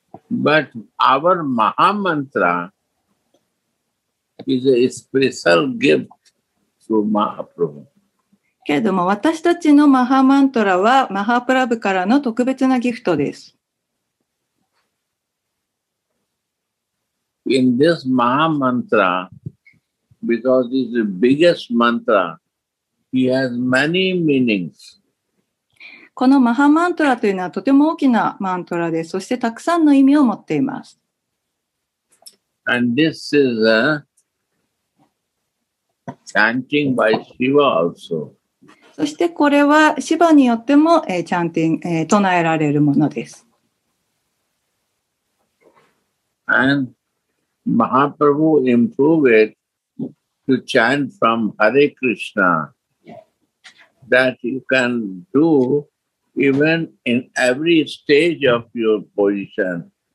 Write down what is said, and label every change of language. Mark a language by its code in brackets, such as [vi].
[en] But our Mahamantra is a special gift to Mahaprabhu. [ja] けれども私たちのマハマントラはマハプラブからの特別なギフトです。 [en] In this Mahamantra, because it's the biggest mantra, he has many meanings. [ja] このマハマントラというのはとても大きなマントラで、そしてたくさんの意味を持っています。 [en] And this is a chanting by Shiva also. [ja] そしてこれはシヴァによっても、唱えられるものです。 [en] And Mahaprabhu improved it to chant from Hare Krishna that you can do even in every stage of your position.